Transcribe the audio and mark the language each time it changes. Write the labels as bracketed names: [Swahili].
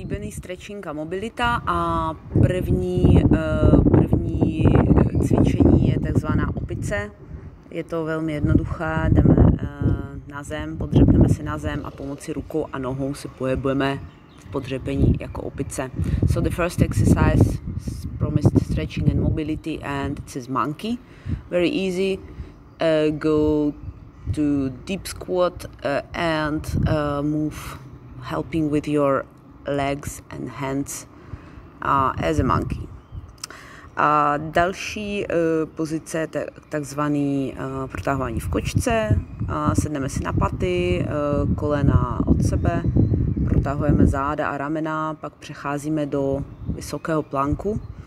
[Czech] stretching a mobilita a první cvičení je takzvaná opice. Je to velmi jednoduché, jdeme na zem, podřepneme se na zem a pomocí rukou a nohou se pohybujeme v podřepení jako opice. [English] So the first exercise is promised stretching and mobility and it says monkey. Very easy. Go to deep squat and move helping with your legs and hands as a monkey. [Czech] A další pozice, takzvaný protahování v kočce, sedneme si na paty, kolena od sebe, protahujeme záda a ramena, pak přecházíme do vysokého planku.